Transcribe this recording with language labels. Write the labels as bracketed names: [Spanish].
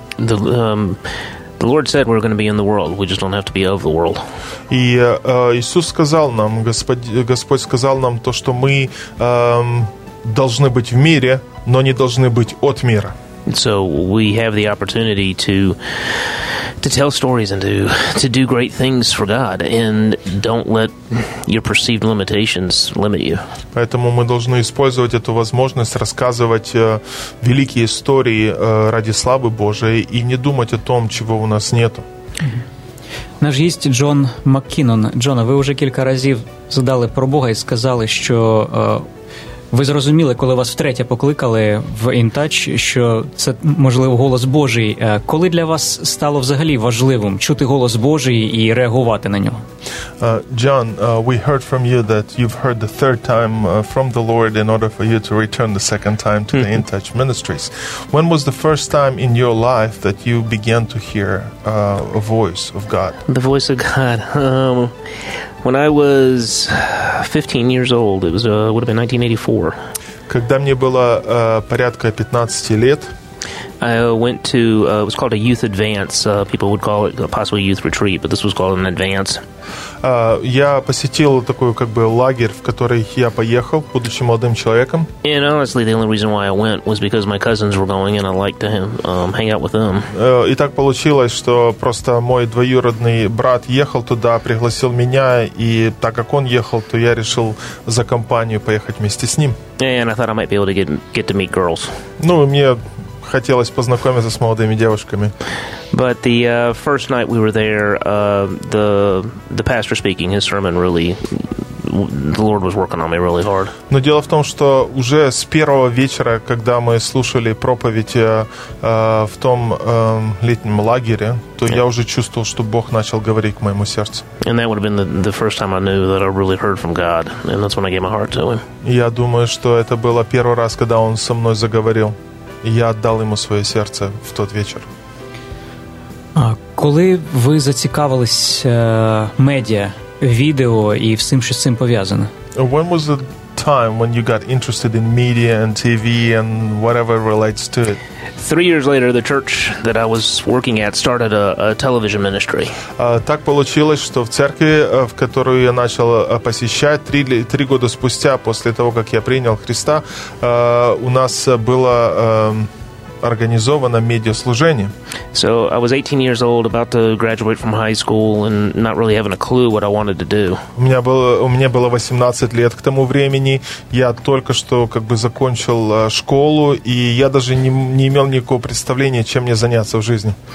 [English] The Lord said we're going to be in the world. We just don't have to be of the world. [Russian] И Иисус сказал нам, Господь сказал нам то, что мы должны быть в мире, но не должны быть от мира. So we have the opportunity to tell stories and to do great things for God, and don't let your perceived limitations limit you. Поэтому мы должны использовать эту возможность рассказывать великие истории ради славы Божией и не думать о том, чего у нас нету. У нас есть Джон Маккінон. [Ukrainian] Джона, ви вже кілька разів задали про Бога і сказали, що ви зрозуміли, коли вас втретє покликали в InTouch, що це, можливо, голос Божий. Коли для вас стало взагалі важливим чути голос Божий і реагувати на нього? [English] John, we heard from you that you've heard the third time from the Lord in order for you to return the second time to the InTouch Ministries. When was the first time in your life that you began to hear a voice of God? The voice of God. When I was 15 years old, it was would have been 1984. [Russian] Когда мне было порядка 15 лет, [English] I went to it was called a youth advance. People would call it possibly youth retreat, but this was called an advance. [Russian] Я посетил такой как бы лагерь, в который я поехал, будучи молодым человеком. [English] And honestly, the only reason why I went was because my cousins were going, and I liked to hang out with them. [Russian] И так получилось, что просто мой двоюродный брат ехал туда, пригласил меня, и так как он ехал, то я решил за компанию поехать вместе с ним. [English] And I thought I might be able to get to meet girls. [Russian] Ну, мне хотелось познакомиться с молодыми девушками. [English] But the first night we were there, the pastor speaking, his sermon really the Lord was working on me really hard. [Russian] Но дело в том, что уже с первого вечера, когда мы слушали проповедь в том летнем лагере, то я уже чувствовал, что Бог начал говорить к моему сердцу. [English] And that would have been the first time I knew that I really heard from God, and that's when I gave my heart to Him. [Russian] Я думаю, что это было первый раз, когда Он со мной заговорил, и я отдал Ему свое сердце в тот вечер. [Ukrainian] Коли ви зацікавились медіа, відео і всім, що з цим пов'язане? [English] When was the time when you got interested in media and TV and whatever relates to it? 3 years later, the church that I was working at started a television ministry. [Russian] Так получилось, [Ukrainian] що в церкві, [Russian] в которую я начал посещать, три года спустя, после того, как я принял Христа, у нас было... организовано медиаслужение. [English] So I was 18 years old, about to graduate from high school and not really having a clue what I wanted to do. [Russian] У меня было 18 лет к тому времени. Я только что как бы закончил школу, и я даже не имел никакого представления, чем мне заняться в жизни.